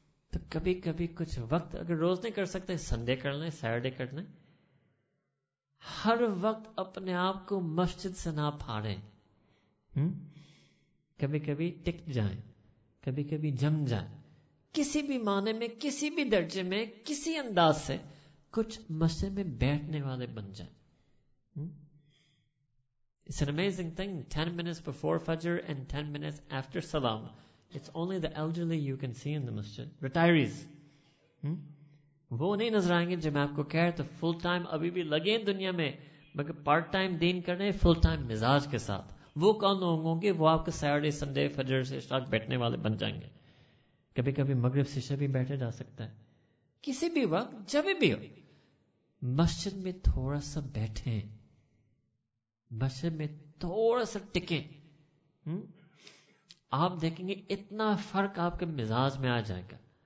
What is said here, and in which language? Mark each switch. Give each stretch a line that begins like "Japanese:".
Urdu: تو کبھی کبھی کچھ وقت اگر روز نہیں کر سکتے سنڈے کر لیں سیٹرڈے کر لیں, ہر وقت اپنے آپ کو مسجد سے نہ پھاڑیں. کبھی کبھی ٹک جائیں, کبھی کبھی جم جائیں, کسی بھی معنی میں کسی بھی درجے میں کسی انداز سے کچھ مسجد میں بیٹھنے والے بن جائیں.
English: It's an amazing thing, 10 minutes before Fajr and 10 minutes after Salam. It's only the elderly you can see in the masjid, retirees.
Urdu: وہ نہیں نظر آئیں گے جو میں آپ کو کہہ رہا ہوں. تو فل ٹائم ابھی بھی لگے ہیں دنیا میں, مگر پارٹ ٹائم دین کرنے فل ٹائم مزاج کے ساتھ وہ کون لوگ ہوں گے؟ وہ آپ کے سیٹرڈے سنڈے فجر سے اشراق بیٹھنے والے بن جائیں گے. کبھی کبھی مغرب سے شب بھی بیٹھے جا سکتا ہے, کسی بھی وقت جب بھی ہو مسجد میں تھوڑا سا بیٹھیں, مسجد میں تھوڑا سا ٹکیں, آپ دیکھیں گے اتنا فرق آپ کے مزاج میں آ جائے گا.